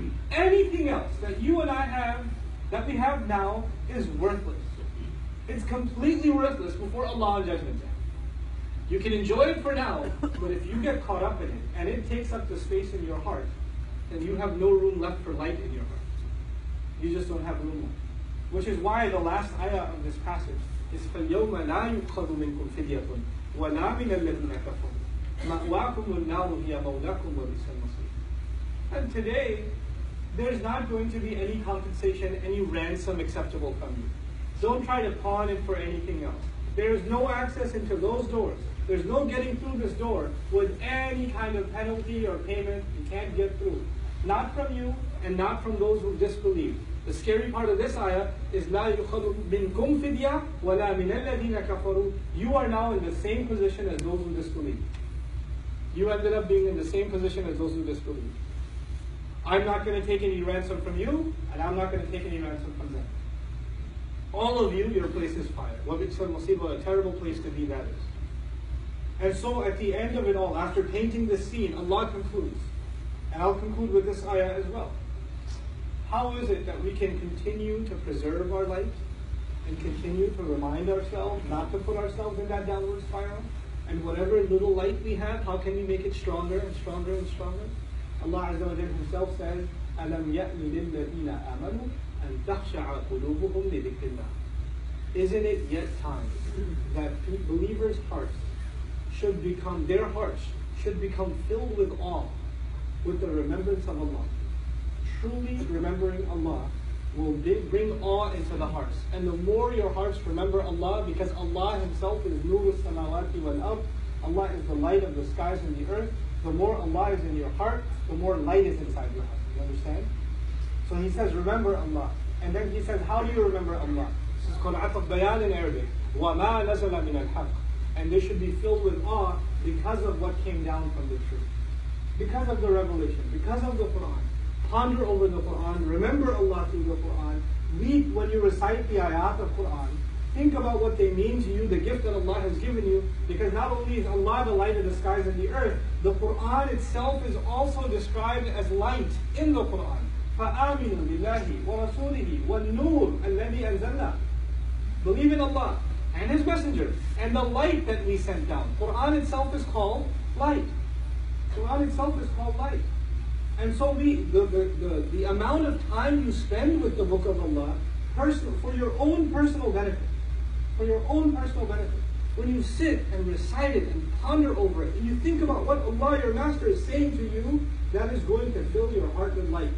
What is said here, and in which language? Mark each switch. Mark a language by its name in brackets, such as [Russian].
[English] Anything else that you and I have, that we have now, is worthless. It's completely worthless before Allah on Judgment Day. You can enjoy it for now, but if you get caught up in it, and it takes up the space in your heart, then you have no room left for light in your heart. You just don't have room left. Which is why the last ayah of this passage is, [Arabic] فَالْيَوْمَ لَا يُقْخَذُ مِنْكُمْ فِدْيَةٌ وَلَا مِنَ الَّذِينَ كَفَرُوا مَأْوَاكُمُ النَّارُ هِيَ مَوْلَاكُمْ وَبِئْسَ الْمَصِيرُ. [English] And today, there's not going to be any compensation, any ransom acceptable from you. Don't try to pawn it for anything else. There's no access into those doors. There's no getting through this door with any kind of penalty or payment. You can't get through. Not from you, and not from those who disbelieve. The scary part of this ayah is, [Arabic] لَا يُخَذُ مِنْكُمْ فِدْيَا وَلَا مِنَ الَّذِينَ كَفَرُوا. [English] You are now in the same position as those who disbelieve. You ended up being in the same position as those who disbelieve. I'm not going to take any ransom from you, and I'm not going to take any ransom from them. All of you, your place is fire. [Arabic] وَبِئْسَ الْمَصِيرُ. [English] What a terrible place to be, that is. And so at the end of it all, after painting this scene, Allah concludes. And I'll conclude with this ayah as well. How is it that we can continue to preserve our light and continue to remind ourselves not to put ourselves in that downward spiral? And whatever little light we have, how can we make it stronger and stronger and stronger? Allah Azza wa Jalla Himself says, [Arabic] أَلَمْ يَأْنِ لِلَّذِينَ آمَنُوا أَنْ تَخْشَعَ قُلُوبُهُمْ لِذِكْرِ اللَّهِ. [English] Isn't it yet time that believers' hearts should become, their hearts should become filled with awe, with the remembrance of Allah? Truly remembering Allah will bring awe into the hearts. And the more your hearts remember Allah, because Allah Himself is [Arabic] Nur as-samawati wal-ard, [English] Allah is the light of the skies and the earth, the more Allah is in your heart, the more light is inside your heart. You understand? So he says, remember Allah. And then he says, how do you remember Allah? This is called Ataf Bayan in Arabic. [Arabic] وَمَا نَزَلَ مِنَ الْحَقِّ. [English] And they should be filled with awe because of what came down from the truth. Because of the revelation, because of the Quran. Ponder over the Quran, remember Allah through the Quran. Weep when you recite the ayat of Quran. Think about what they mean to you, the gift that Allah has given you. Because not only is Allah the light of the skies and the earth, the Quran itself is also described as light in the Quran. [Arabic] فَآمِنُوا بِاللَّهِ وَرَسُولِهِ وَالنُّورِ الَّذِي أَنزَلْنَا. [English] Believe in Allah and His Messenger, and the light that we sent down. Quran itself is called light. Quran itself is called light. And so the amount of time you spend with the Book of Allah, personal, for your own personal benefit, for your own personal benefit, when you sit and recite it and ponder over it, and you think about what Allah your Master is saying to you, that is going to fill your heart with light.